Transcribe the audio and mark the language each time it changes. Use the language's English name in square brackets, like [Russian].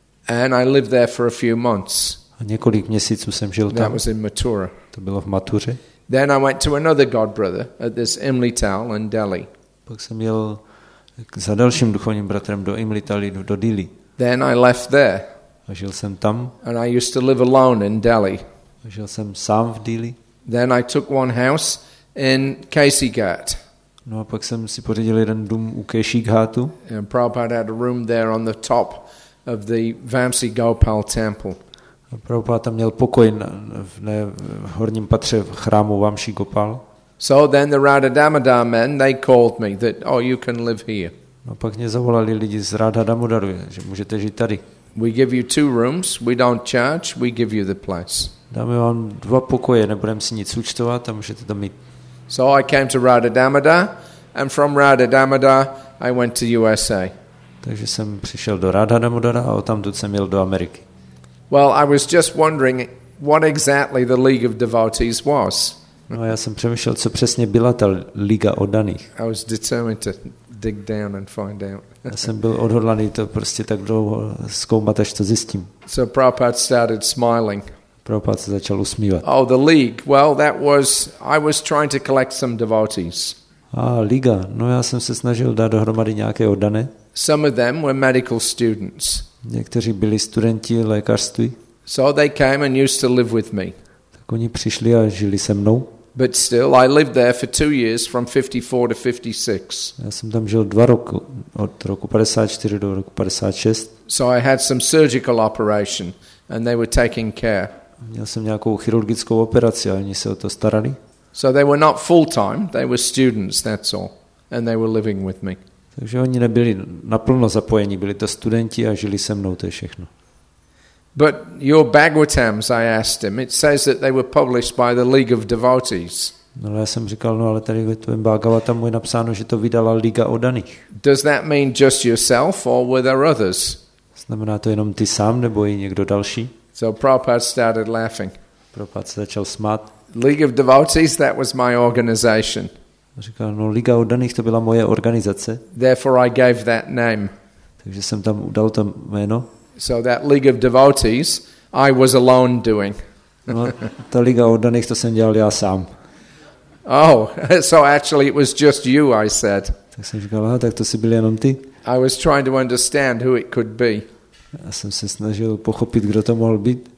[English] And I lived there for a few months. [Czech] A několik měsíců jsem žil [English] that [Czech] tam. [English] Was in Mathura. [Czech] To bylo v Mathuře. [English] Then I went to another god brother at this Imlital in Delhi. [Czech] Pak jsem jel za dalším duchovním bratrem do Imlitali, do Delhi. [English] Then I left there. [Czech] A žil jsem tam. [English] And I used to live alone in Delhi. [Czech] A žil jsem sám v Delhi. [English] Then I took one house in Kesigat. [Czech] No a pak jsem si pořídil jeden dům u Kesigatu. [English] And Prabhupada had a room there on the top of the Vamsi Gopal temple. [Czech] A Prabhupada tam měl pokoj v horním patře v chrámu Vamsi Gopal. [English] So then the Radha Damodar men, they called me that, oh, you can live here. [Czech] No pak mě zavolali lidi z Radha Damodaru, že můžete žít tady. [English] We give you two rooms, we don't charge, we give you the place. [Czech] Dáme vám dva pokoje, nebudeme si nic účtovat a můžete to mít. [English] So I came to Radha Damodar and from Radha Damodar I went to USA. [Czech] Takže jsem přišel do Radha Damodara a odtamtud jsem jel do Ameriky. [English] Well, I was just wondering what exactly the League of Devotees was. [Czech] No, já jsem přemýšlel, co přesně byla ta Liga oddaných. [English] I was determined to dig down and find out. [Czech] Já jsem byl odhodlaný to prostě tak dlouho zkoumat, až to zjistím. [English] So Prabhupada started smiling. [Czech] Prabhupada se začal usmívat. [English] Oh, the league. Well, that was I was trying to collect some devotees. [Czech] Liga. No, já jsem se snažil dát dohromady nějaké oddané. [English] Some of them were medical students. [Czech] Někteří byli studenti lékařství. [English] So they came and used to live with me. [Czech] Tak oni přišli a žili se mnou. [English] But still, I lived there for 2 years, from 54 to 56. [Czech] Já jsem tam žil 2 roky, od roku 54 do roku 56. [English] So I had some surgical operation, and they were taking care. [Czech] Měl jsem nějakou chirurgickou operaci, a oni se o to starali. [English] So they were not full time; they were students. That's all, and they were living with me. [Czech] Takže oni nebyli naplno zapojeni, byli to studenti a žili se mnou, to je všechno. [English] But your Bhagavatams, I asked him, it says that they were published by the League of Devotees. [Czech] No, já jsem říkal, no ale tady ve tvém Bhagavatamu je napsáno, že to vydala Liga Odaných. [English] Does that mean just yourself or were there others? [Czech] Znamená to jenom ty sám nebo i někdo další? [English] So Prabhupada started laughing. [Czech] Prabhupada se začal smát. [English] League of Devotees, that was my organization. [Czech] Říkal, no Liga Odaných, to byla moje organizace. [English] Therefore I gave that name. [Czech] Takže jsem tam udal to jméno. [English] So that League of Devotees, I was alone doing. [Czech] No, ta Liga Odaných, to jsem dělal já sám. [English] Oh, so actually it was just you, I said. [Czech] Tak jsem říkal, aha, tak to jsi byl jenom ty. [English] I was trying to understand who it could be. [Czech] Já jsem se snažil pochopit, kdo to mohl být.